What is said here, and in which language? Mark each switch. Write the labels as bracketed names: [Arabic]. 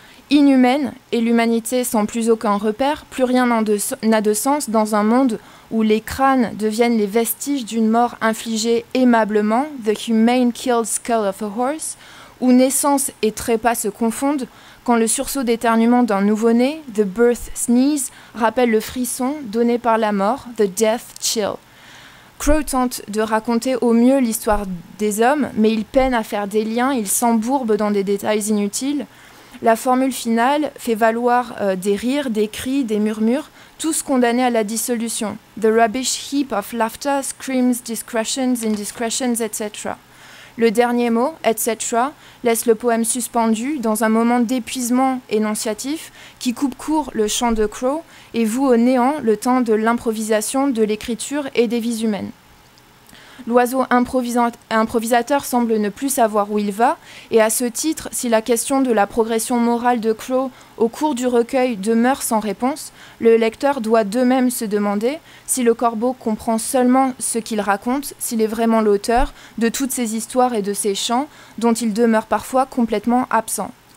[French] Inhumaine et l'humanité sans plus aucun repère, plus rien n'a de sens dans un monde où les crânes deviennent les vestiges d'une mort infligée aimablement, [English] the humane killed skull of a horse, [French] où naissance et trépas se confondent, quand le sursaut d'éternuement d'un nouveau-né, [English] the birth sneeze, [French] rappelle le frisson donné par la mort, [English] the death chill. [French] Crow tente de raconter au mieux l'histoire des hommes, mais il peine à faire des liens, il s'embourbe dans des détails inutiles. La formule finale fait valoir des rires, des cris, des murmures, tous condamnés à la dissolution. [English] The rubbish heap of laughter, screams, discretions, indiscretions, etc. [French] Le dernier mot, etc., laisse le poème suspendu dans un moment d'épuisement énonciatif qui coupe court le chant de Crow et voue au néant le temps de l'improvisation, de l'écriture et des vies humaines. L'oiseau improvisateur semble ne plus savoir où il va, et à ce titre, si la question de la progression morale de Crow au cours du recueil demeure sans réponse, le lecteur doit de même se demander si le corbeau comprend seulement ce qu'il raconte, s'il est vraiment l'auteur de toutes ces histoires et de ces chants, dont il demeure parfois complètement absent.